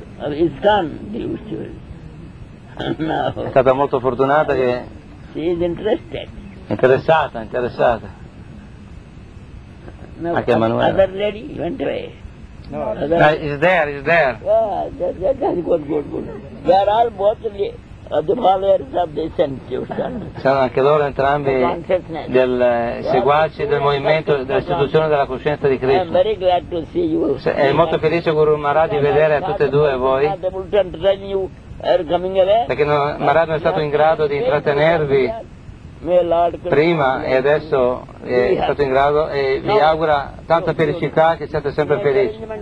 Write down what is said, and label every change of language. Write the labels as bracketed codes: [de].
[en] is done, the institution. [it] No. È stata molto fortunata che [en] she is interested. [it] Interessata. No, anche Emanuele. [en] Other lady went away. No, is there. Good. They are all both the followers of the institution. [it] Sono anche loro entrambi del seguaci del movimento, dell'istituzione della coscienza di Cristo. [en] I am very glad to see you. [it] È molto felice Guru Maharaj di vedere a tutte e due voi. Perché Maharaj non è stato in grado di intrattenervi prima e adesso è stato in grado e vi augura tanta felicità, che siate sempre felici.